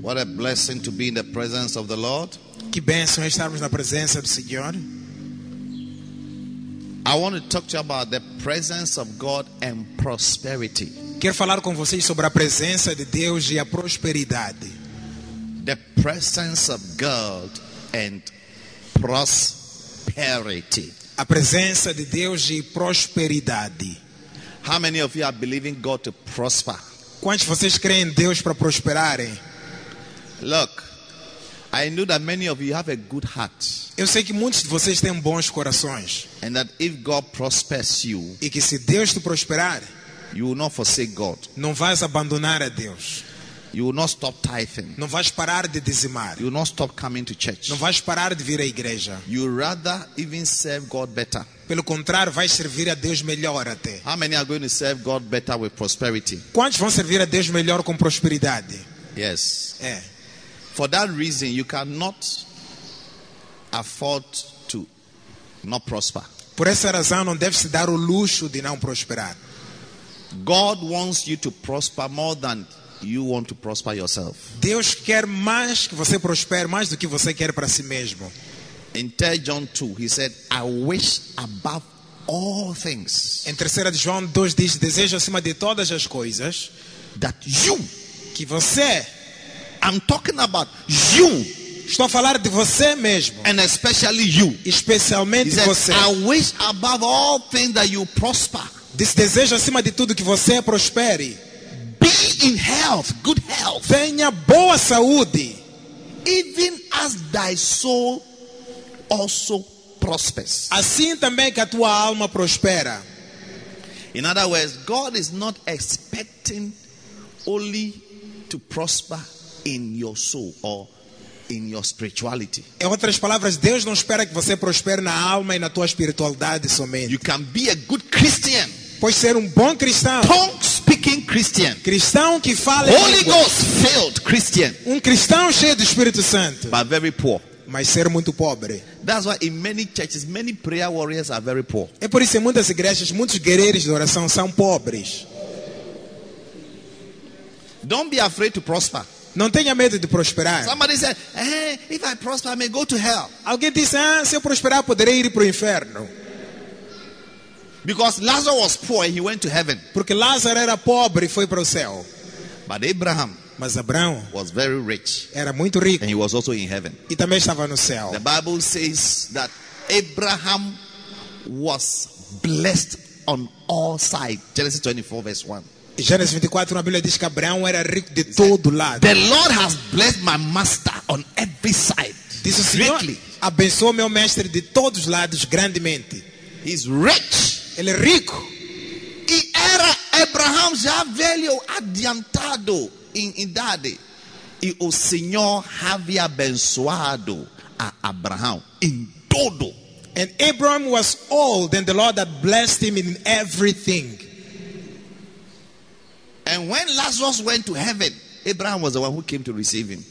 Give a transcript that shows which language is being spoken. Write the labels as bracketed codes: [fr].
[en] What a blessing to be in the presence of the Lord. [pt] Que bênção estarmos na presença do Senhor. [en] I want to talk to you about the presence of God and prosperity. [pt] Quero falar com vocês sobre a presença de Deus e a prosperidade. [en] The presence of God and prosperity. [pt] A presença de Deus e prosperidade. [en] How many of you are believing God to prosper? [pt] Quantos vocês creem em Deus para prosperarem? [en] Look, I know that many of you have a good heart. [pt] Eu sei que muitos de vocês têm bons corações. [en] And that if God prospers you, [pt] e que se Deus te prosperar, [en] you will not forsake God. [pt] Não vais abandonar a Deus. [en] You will not stop tithing. [pt] Não vais parar de dizimar. [en] You will not stop coming to church. [pt] Não vais parar de vir à igreja. [en] You rather even serve God better. [pt] Pelo contrário, vais servir a Deus melhor até. [en] How many are going to serve God better with prosperity? [pt] Quantos vão servir a Deus melhor com prosperidade? [en] Yes. [pt] É. [en] For that reason, you cannot afford to not prosper. [pt] Por essa razão, não deve-se dar o luxo de não prosperar. [en] God wants you to prosper more than you want to prosper yourself. [pt] Deus quer mais que você prospere, mais do que você quer para si mesmo. [en] In 3 John 2, he said, I wish above all things. [pt] Em 3 João 2 diz, desejo acima de todas as coisas, [en] that you, [pt] que você, [en] I'm talking about you, [pt] estou a falar de você mesmo, [en] and especially you, [pt] especialmente [en] he said, [pt] você. [en] I wish above all things that you prosper. [pt] Desejo acima de tudo que você prospere. [en] Be in health, good health. [pt] Tenha boa saúde. [en] Even as thy soul also prospers. [pt] Assim também que a tua alma prospera. [en] In other words, God is not expecting only to prosper in your soul or in your spirituality. [pt] Em outras palavras, Deus não espera que você prospere na alma e na tua espiritualidade somente. [en] You can be a good Christian. [pt] Pode ser um bom cristão. [en] Tongue speaking Christian. [pt] Cristão que fala [en] em Holy Ghost filled Christian. [pt] Um cristão cheio do Espírito Santo. [en] But very poor. [pt] Mas ser muito pobre. [en] That's why in many churches, many prayer warriors are very poor. [pt] É por isso que muitas igrejas, muitos guerreiros de oração são pobres. [en] Don't be afraid to prosper. [pt] Não tenha medo de prosperar. [en] Somebody said, if I prosper, I may go to hell. [pt] Alguém disse, se eu prosperar, poderei ir para o inferno. [en] Because Lazarus was poor, he went to heaven. [pt] Porque Lázaro era pobre e foi para o céu. [en] But Abraham, [pt] mas Abraão [en] was very rich. [pt] Era muito rico. [en] And he was also in heaven. [pt] E também estava no céu. [en] The Bible says that Abraham was blessed on all sides. Genesis 24 verse 1. [pt] Gênesis 24, na Bíblia diz que Abraão era rico de todo lado. [en] The Lord has blessed my master on every side. [pt] Diz o Senhor, abençoou meu mestre de todos lados grandemente. [en] He's rich. [pt] Ele é rico. E era Abraão já velho, adiantado em idade. E o Senhor havia abençoado a Abraão em todo. [en] And Abraham was old and the Lord had blessed him in everything. And when Lazarus went to heaven, Abraham was the one who came to receive him.